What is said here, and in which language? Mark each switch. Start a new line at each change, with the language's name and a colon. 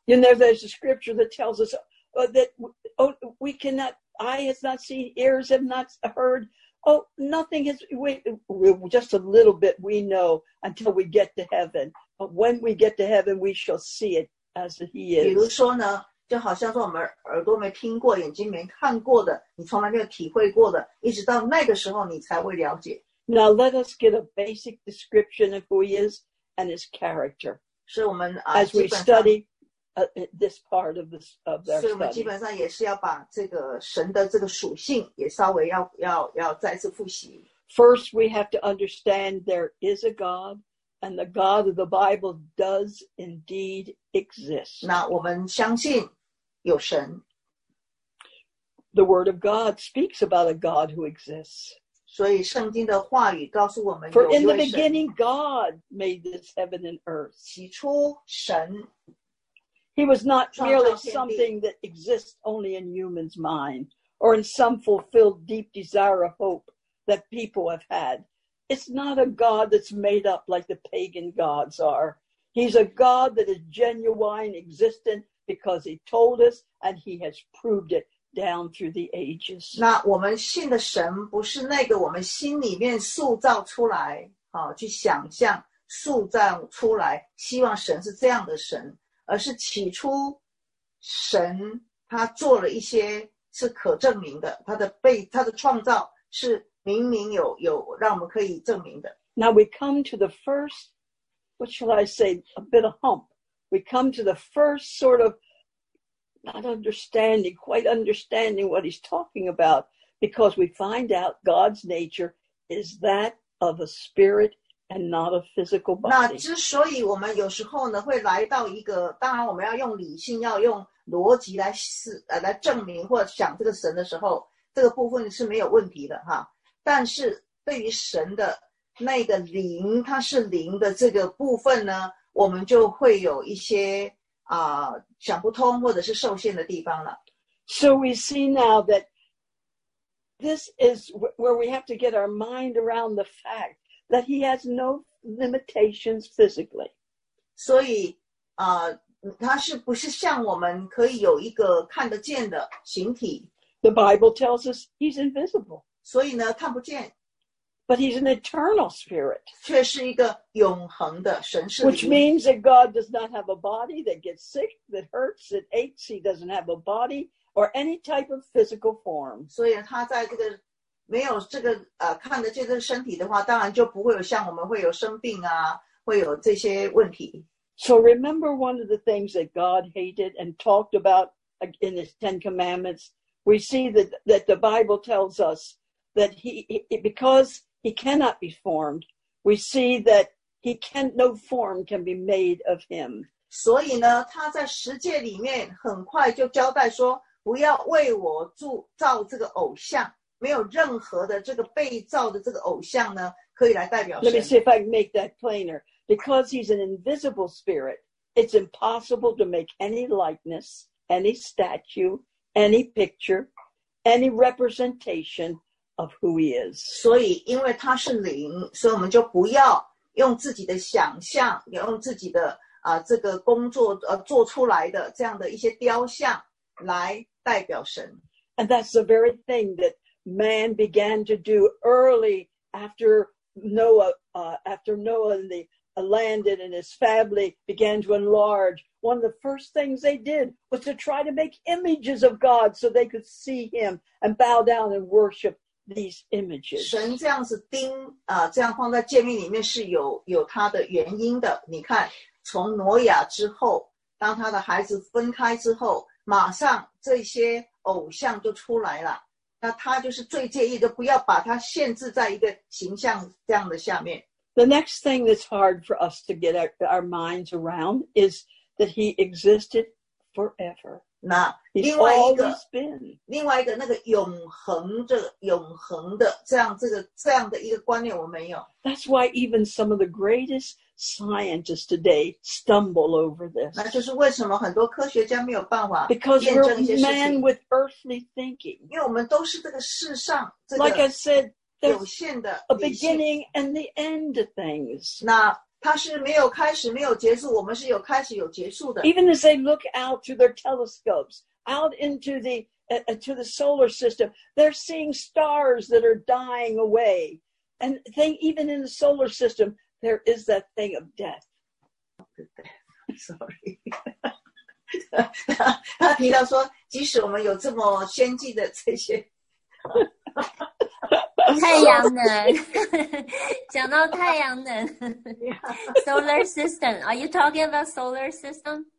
English: You know, there's a scripture that tells us that we cannot, eye has not seen, ears have not heard. Oh, nothing is, just a little bit we know until we get to heaven. But when we get to heaven, we shall see it as he is.
Chinese: 比如说呢，就好像说我们耳朵没听过，眼睛没看过的，你从来没有体会过的，一直到那个时候你才会了解。
English: Now let us get a basic description of who he is and his character.
Chinese: 是我们、
English: as we study、this part of this of their study.
Chinese: 所以我们基本上也是要把这个神的这个属性也稍微要再次复习。
English: First, we have to understand there is a God, and the God of the Bible does indeed exist.
Chinese: 那我们相信有神。
English: The Word of God speaks about a God who exists.
Chinese: 所以圣经的话语告诉我们
English: ，For in the beginning, God made this heaven and earth.
Chinese: 起初神。
English: He was not merely something that exists only in humans' mind or in some fulfilled deep desire or hope that people have had. It's not a God that's made up like the pagan gods are. He's a God that is genuine, existent, because he told us and he has proved it down through the ages.
Chinese: 那我们信的神不是那个我们心里面塑造出来，去想象塑造出来，希望神是这样的神。而是起初神他做了一些是可证明的，他的创造是明明有让我们可以证明的。
English: Now we come to the first, what shall I say, a bit of hump. We come to the first sort of not understanding, quite understanding what he's talking about, because we find out God's nature is that of a spirit. And not a physical body.
Chinese: 那之所以我们有时候呢会来到一个，当然我们要用理性，要用逻辑来证明或想这个神的时候，这个部分是没有问题的哈。但是对于神的那个灵，它是灵的这个部分呢，我们就会有一些想不通或者是受限的地方了。
English: So we see now that this is where we have to get our mind around the fact. That he has no limitations physically.
Chinese: 所以他是不是像我们可以有一个看得见的形体。
English: The Bible tells us he's invisible.
Chinese: 所以呢看不见。
English: But he's an eternal spirit.
Chinese: 却是一个永恒的神是。
English: Which means that God does not have a body that gets sick, that hurts, that aches. He doesn't have a body or any type of physical form.
Chinese: 所以他在这个没有这个看得见这个身体的话，当然就不会有像我们会有生病啊，会有这些问题。
English: So remember one of the things that God hated and talked about in His Ten Commandments. We see that the Bible tells us that he because he cannot be formed. We see that he can no form can be made of him.
Chinese: 所以呢，他在十诫里面很快就交代说，不要为我造这个偶像。没有任何的这个被造的这个偶像呢，可以来代表神。
English: Let me see if I can make that plainer. Because he's an invisible spirit, it's impossible to make any likeness, any statue, any picture, any representation of who he is.
Chinese: 所以因为他是灵，所以我们就不要用自己的想象，用自己的这个工作做出来的这样的一些雕像来代表神。
English: And that's the very thing that. Man began to do early after Noah and the landed and his family began to enlarge. One of the first things they did was to try to make images of God so they could see him and bow down and worship these images.
Chinese: 神这样子钉这样放在诫命里面是有它的原因的。你看，从挪亚之后，当他的孩子分开之后，马上这些偶像就出来了。那他就是最介意的，不要把他限制在一个形象这样的下面。
English: The next thing that's hard for us to get our minds around is that he existed forever.
Chinese: 那另外一个，另外一个那个永恒的、永恒的这样这个这样的一个观念，我没有。
English: That's why even some of the greatest scientists today stumble over this.
Chinese: 那就是为什么很多科学家没有办法验证一些事情。
English: Because we're men with earthly thinking.
Chinese: 因为我们都是这个世上这个。
English: Like I said, there's a beginning and the end of things.
Chinese: 那它是没有开始没有结束，我们是有开始有结束的。
English: Even as they look out through their telescopes, out into the,to the solar system, they're seeing stars that are dying away. And they, even in the solar system, there is that thing of death. Sorry.
Chinese: 他提到说，即使我们有这么先进的这些太阳能讲到太阳能
English: solar system are you talking about solar system